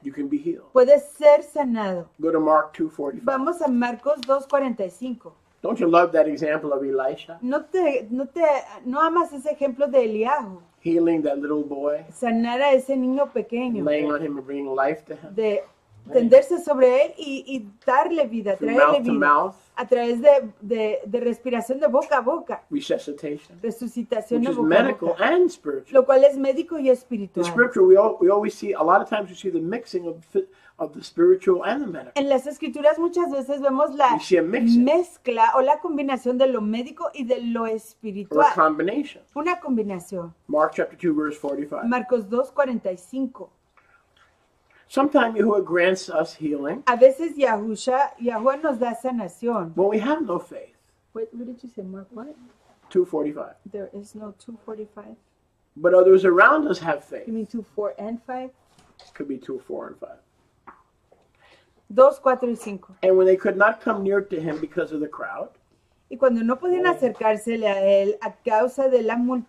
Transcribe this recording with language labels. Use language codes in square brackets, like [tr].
[en] you can be healed. [es] Puedes ser sanado. [en] Go to Mark 2:45. [es] Vamos a Marcos 2:45. [en] Don't you love that example of Elisha? [es] No amas ese ejemplo de Eliahu. [en] Healing that little boy. [es] Sanar a ese niño pequeño. [en] Laying on him and bringing life to him. [es] De tenderse sobre él y darle vida, traerle [en] mouth To mouth. [es] A través de respiración de boca a boca. [en] Resuscitation. [es] Resucitación [en] which [es] de boca [en] is medical [es] a boca. [en] And spiritual. [es] Lo cual es médico y espiritual. [en] In scripture, we always see, a lot of times we see the mixing of the spiritual and the medical. [es] En las escrituras muchas veces vemos la mezcla o la combinación de lo médico y de lo espiritual. [en] Or a combination. [es] Una combinación. [en] Mark chapter 2, verse 45. [es] Marcos 2:45. [en] Sometimes Yahuwah grants us healing. [es] A veces Yahuwah nos da sanación. [en] When we have no faith. What did you say, Mark? What? 2:45. There is no 2:45. But others around us have faith. You mean 2:4 and 5? Could be 2:4 and 5. [es] 2:4 y 5. [en] And when they could not come near to him because of the crowd. [es] Y cuando no podían acercársele a él a causa de la multitud.